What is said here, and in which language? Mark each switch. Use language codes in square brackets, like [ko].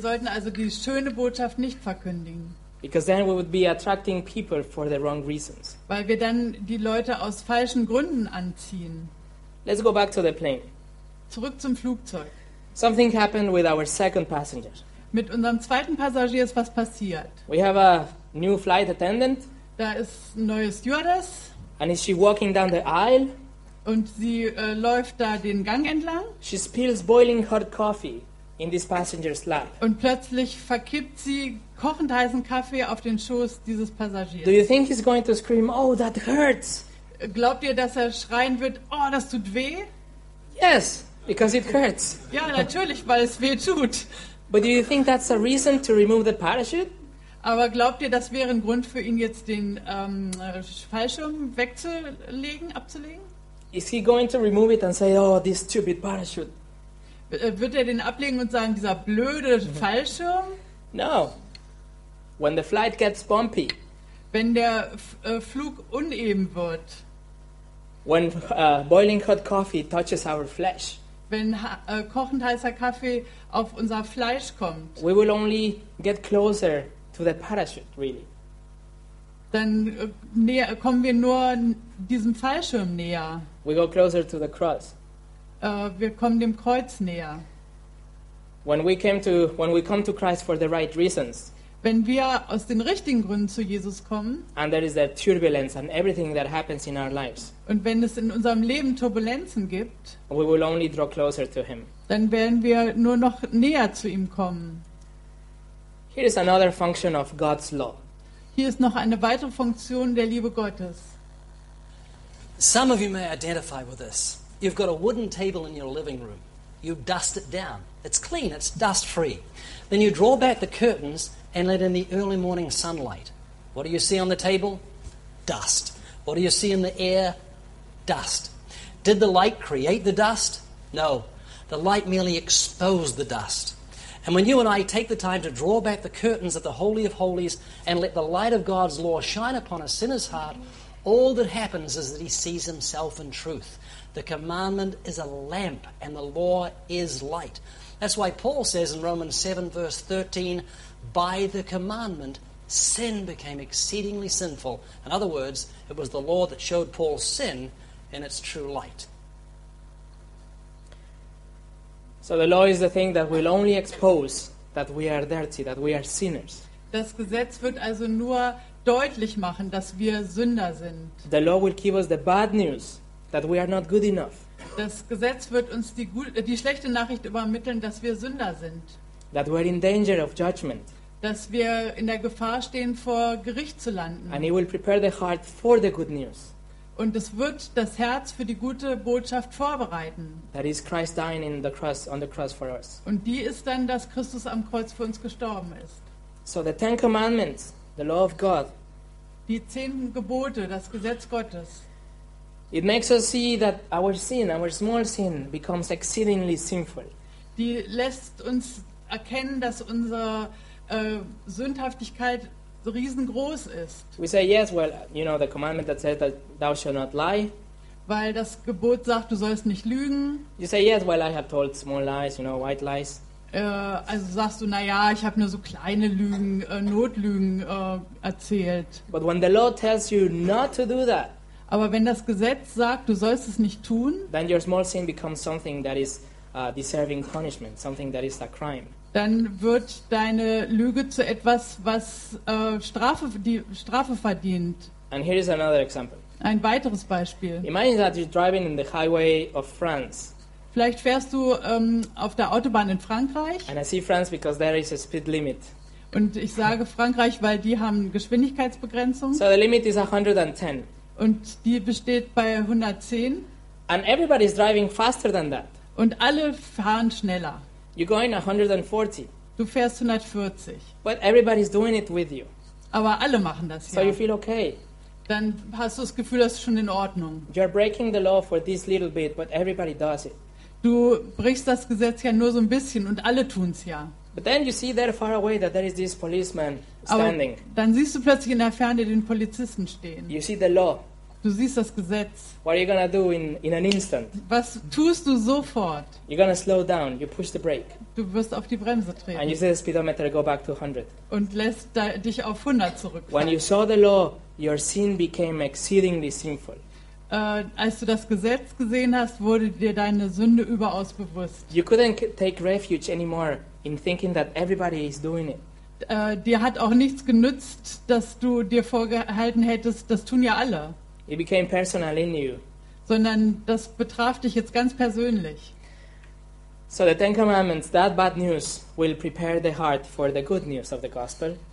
[de] sollten also die schöne Botschaft nicht verkündigen. [en] Because then we would be attracting people for the wrong reasons. [de] Weil wir dann die Leute aus falschen Gründen anziehen. [en] Let's go back to the plane. [de] Zurück zum Flugzeug. [en] Something happened with our second passenger. [de] Mit unserem zweiten Passagier ist was passiert. [en] We have a new flight attendant. [de] Da ist ein neues Stewardess. [en] And is she walking down the aisle? [de] Und sie läuft da den Gang entlang. [en] She spills boiling hot coffee. in this passenger's lap. [de] Und plötzlich verkippt sie kochend heißen Kaffee auf den Schoß dieses Passagiers. [en] Do you think he's going to scream, "Oh, that hurts"? [de] Glaubt ihr, dass er schreien wird, "Oh, das tut weh"? [en] Yes, because it hurts. [de] Ja, natürlich, weil es weh tut. [en] But do you think that's a reason to remove the parachute? [de] Aber glaubt ihr, das wäre ein Grund für ihn jetzt den Fallschirm wegzulegen, abzulegen? [en] Is he going to remove it and say, "Oh, this stupid parachute"? [de] Wird er den ablegen und sagen, dieser blöde Fallschirm? [en] No. When the flight gets bumpy. [de] Wenn der Flug uneben wird. [en] When boiling hot coffee touches our flesh. [de] Wenn kochend heißer Kaffee auf unser Fleisch kommt. [en] We will only get closer to the parachute, really. [de] Dann kommen wir nur diesem Fallschirm näher. [en] We go closer to the cross. [de] Wir kommen dem Kreuz näher. [en] When we come to Christ for the right reasons. [de] Wenn wir aus den richtigen Gründen zu Jesus kommen. [en] And there is that turbulence and everything that happens in our lives. [de] Und wenn es in unserem Leben Turbulenzen gibt. [en] We will only draw closer to him. [de] Dann werden wir nur noch näher zu ihm kommen. [en] Here is another function of God's law. [de] Hier ist noch eine weitere Funktion der Liebe Gottes. [en] Some of you may identify with this. You've got a wooden table in your living room. You dust it down. It's clean. It's dust-free. Then you draw back the curtains and let in the early morning sunlight. What do you see on the table? Dust. What do you see in the air? Dust. Did the light create the dust? No. The light merely exposed the dust. And when you and I take the time to draw back the curtains of the Holy of Holies and let the light of God's law shine upon a sinner's heart, all that happens is that he sees himself in truth. The commandment is a lamp, and the law is light. That's why Paul says in Romans 7, verse 13, by the commandment, sin became exceedingly sinful. In other words, it was the law that showed Paul's sin in its true light. So the law is the thing that will only expose that we are dirty, that we are sinners. [de] Das Gesetz wird also nur deutlich machen, dass wir Sünder sind. [en] The law will give us the bad news. That we are not good enough. [de] Das Gesetz wird uns die schlechte Nachricht übermitteln, dass wir Sünder sind. [en] That we are in danger of judgment. [de] Dass wir in der Gefahr stehen, vor Gericht zu landen. [en] And he will prepare the heart for the good news. [de] Und es wird das Herz für die gute Botschaft vorbereiten. [en] That is Christ dying on the cross for us. [de] Und die ist dann, dass Christus am Kreuz für uns gestorben ist. [en] So the Ten Commandments, the law of God. [de] Die 10 Gebote, das Gesetz Gottes. [en] It makes us see that our sin, our small sin, becomes exceedingly sinful. [de] Die lässt uns erkennen, dass unsere Sündhaftigkeit riesengroß ist. [en] We say yes, well, you know, the commandment that says that thou shalt not lie. [de] Weil das Gebot sagt, du sollst nicht lügen. [en] You say yes, well, I have told small lies, you know, white lies. [de] Also sagst du, naja, ich habe nur so kleine Lügen, Notlügen erzählt. [en] But when the law tells you not to do that. [de] Aber wenn das Gesetz sagt, du sollst es nicht tun, [en] then your small sin becomes something that is deserving punishment, something that is a crime. [de] Dann wird deine Lüge zu etwas, was Strafe verdient. [en] And here is another example. [de] Ein weiteres Beispiel. [en] Imagine that you're driving in the highway of France. [de] Vielleicht fährst du auf der Autobahn in Frankreich. [en] And I see France because there is a speed limit. [de] Und ich sage Frankreich, weil die haben Geschwindigkeitsbegrenzung. [en] So the limit is 110. [de] Und die besteht bei 110. [en] And everybody is driving faster than that. [de] Und alle fahren schneller. [en] You're going 140. [de] Du fährst 140. [en] But everybody is doing it with you. [de] Aber alle machen das so ja. [en] So you feel okay. [de] Dann hast du das Gefühl, das ist schon in Ordnung. [en] You're breaking the law for this little bit, but everybody does it. [de] Du brichst das Gesetz ja nur so ein bisschen und alle tun's ja. [en] But then you see there far away that there is this policeman standing. [de] Aber dann siehst du plötzlich in der Ferne den Polizisten stehen. [en] You see the law. [de] Du siehst das Gesetz. [en] What are you gonna do in an instant? [de] Was tust du sofort? [en] You're gonna slow down. You push the brake. [de] Du wirst auf die Bremse treten. [en] And you see the speedometer go back to 100. [de] Und lässt dich auf 100 zurück. [en] When you saw the law, your sin became exceedingly sinful. [de] Als du das Gesetz gesehen hast, wurde dir deine Sünde überaus bewusst. [en] You couldn't take refuge anymore. In thinking that everybody is doing it. [de] Dir hat auch nichts genützt, dass du dir vorgehalten hättest, das tun ja alle. [en] It became personal in you. [de] Sondern das betraf dich jetzt ganz persönlich. [en] So the Ten Commandments, that bad news will prepare the heart for the good news of the gospel.